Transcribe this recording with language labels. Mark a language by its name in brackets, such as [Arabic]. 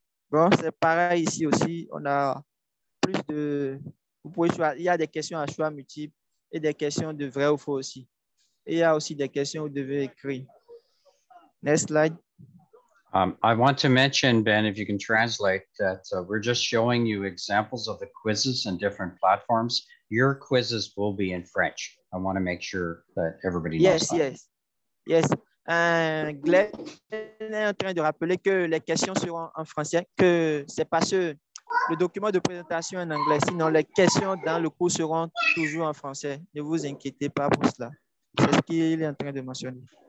[French] Bon, c'est pareil ici aussi. On a plus de... Vous pouvez choisir. Il y a des questions à choix multiples et des questions de vrai ou faux aussi. Et il y a aussi des questions où vous devez écrire. [English] Next slide. I want to mention, Ben, if you can translate, that we're just showing you examples of the quizzes and different platforms. Your quizzes will be in French. I want to make sure that everybody knows. Yes. [French] Glenn est en train de rappeler que les questions seront en français, que c'est pas ce le document de présentation en anglais, sinon les questions dans le cours seront toujours en français. Ne vous inquiétez pas pour cela. C'est ce qu'il est en train de mentionner.